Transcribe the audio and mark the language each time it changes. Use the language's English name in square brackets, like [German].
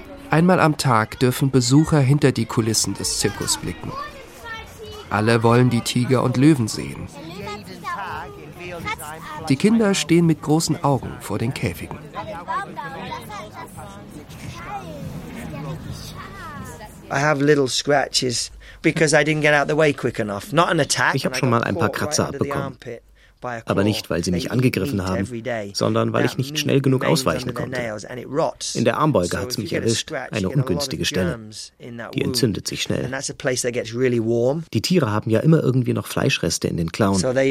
[German] Einmal am Tag dürfen Besucher hinter die Kulissen des Zirkus blicken. Alle wollen die Tiger und Löwen sehen. Die Kinder stehen mit großen Augen vor den Käfigen. [English] I have little scratches because I didn't get out the way quick enough. Not an attack. [German] Ich habe schon mal ein paar Kratzer abbekommen. Aber nicht, weil sie mich angegriffen haben, sondern weil ich nicht schnell genug ausweichen konnte. In der Armbeuge hat es mich erwischt, eine ungünstige Stelle. Die entzündet sich schnell. Die Tiere haben ja immer irgendwie noch Fleischreste in den Klauen.